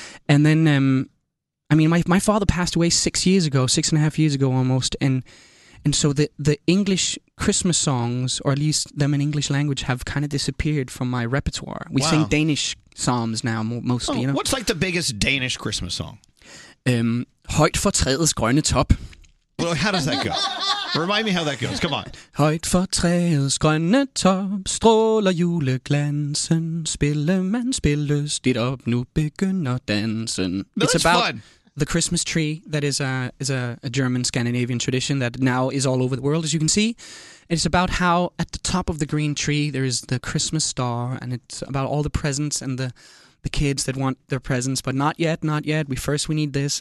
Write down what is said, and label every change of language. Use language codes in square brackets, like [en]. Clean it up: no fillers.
[en] And then, my father passed away 6 years ago, 6.5 years ago almost, and so the English Christmas songs, or at least them in English language, have kind of disappeared from my repertoire. We sing Danish psalms now, mostly. Oh, you know? What's like the biggest Danish Christmas song? [da] Højt for træets grønne top. [en] Well, how does that go? Remind me how that goes. Come on. [da] Højt for træets grønne top, stråler juleglansen, spillemand spilles dit op, nu begynder dansen. [en] It's about fun. The Christmas tree that is a German Scandinavian tradition that now is all over the world, as you can see. It's about how at the top of the green tree there is the Christmas star, and it's about all the presents and the kids that want their presents, but not yet. We need this.